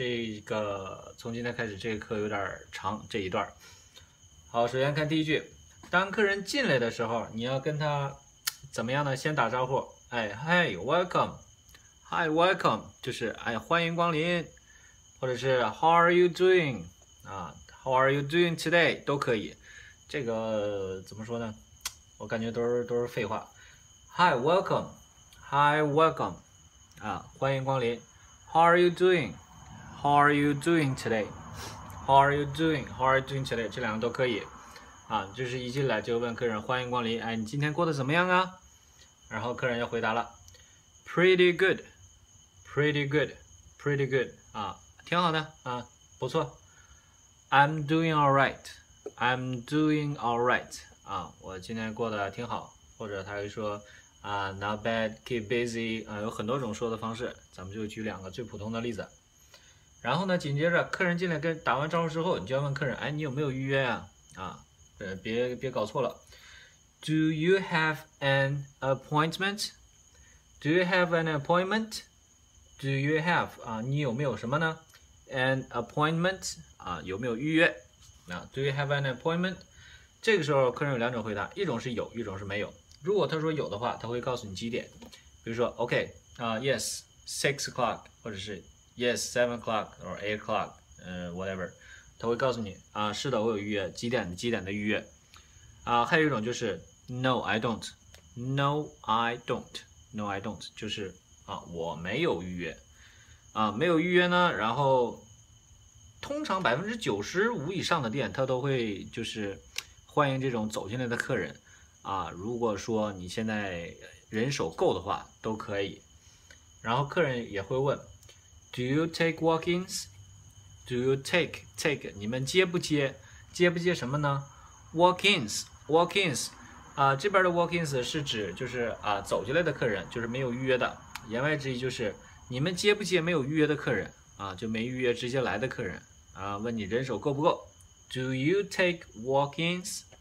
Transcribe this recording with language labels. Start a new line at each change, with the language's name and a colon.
Chinese: 这个从今天开始，这个课有点长，这一段。好，首先看第一句，当客人进来的时候，你要跟他怎么样呢？先打招呼，哎，
English: Hey，welcome，Hi，welcome，
Chinese: 就是哎，欢迎光临，或者是
English: How are you doing？啊，How are you doing today？
Chinese: 都可以。这个怎么说呢？我感觉都是废话。
English: Hi，welcome，Hi，welcome，啊，
Chinese: 欢迎光临。
English: How are you doing？How are you doing today？How are you doing？How are you doing today？
Chinese: 这两个都可以。啊，就是一进来就问客人欢迎光临，哎，你今天过得怎么样啊？然后客人就回答了，
English: Pretty good，Pretty good，Pretty good，
Chinese: 啊，挺好的啊，不错。
English: I'm doing all right。 I'm doing all right
Chinese: 啊，我今天过得挺好。或者他会说啊，
English: not bad, keep busy
Chinese: 啊，有很多种说的方式。咱们就举两个最普通的例子。然后呢，紧接着客人进来跟打完招呼之后，你就要问客人，哎，你有没有预约啊？啊，别搞错了。
English: Do you have an appointment? Do you have an appointment? Do you have
Chinese: 啊，你有没有什么呢？
English: An appointment
Chinese: 啊，有没有预约？
English: 那 Do you have an appointment？
Chinese: 这个时候客人有两种回答，一种是有，一种是没有。如果他说有的话，他会告诉你几点，比如说 OK 啊，
English: Yes six o'clock，
Chinese: 或者是
English: Yes seven o'clock or eight o'clock，whatever，
Chinese: 他会告诉你啊，是的，我有预约，几点的几点的预约。啊，还有一种就是
English: No I don't，No I don't，No I don't，
Chinese: 就是啊，我没有预约。啊，没有预约呢，然后。通常95%以上的店，他都会就是欢迎这种走进来的客人啊。如果说你现在人手够的话，都可以。
English: 然后客人也会问，Do you take walk-ins？Do you take？
Chinese: 你们接不接？接不接什么呢？Walk-ins，walk-ins 啊，这边的 walk-ins 是指就是啊走进来的客人，就是没有预约的。言外之意就是你们接不接没有预约的客人啊，就没预约直接来的客人。啊，问你人手够不够？
English: Do you take walk-ins?